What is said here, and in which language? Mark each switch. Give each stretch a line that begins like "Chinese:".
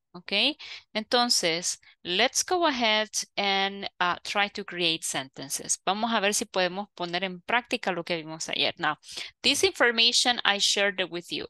English: Okay, entonces, let's go ahead and try to create sentences.
Spanish: Vamos a ver si podemos poner en práctica lo que vimos ayer.
English: Now, this information I shared it with you.